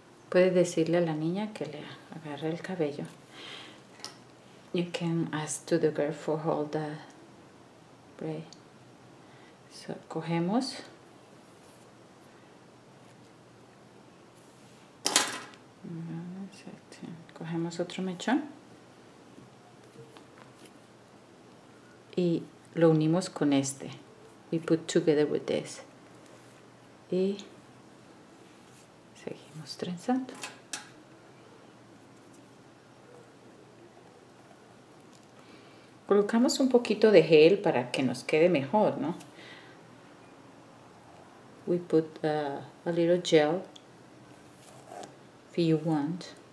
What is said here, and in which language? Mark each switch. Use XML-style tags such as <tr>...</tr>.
<es>Puedes decirle a la niña que le agarre el cabello.</es> <en>You can ask to the girl for hold the braid.</en> <es>So, cogemos. Cogemos otro mechón. Y lo unimos con este.</es> <en>We put together with this.</en> <es>Y seguimos trenzando. Colocamos un poquito de gel para que nos quede mejor, ¿no?</es> <en>We put a little gel if you want.</en>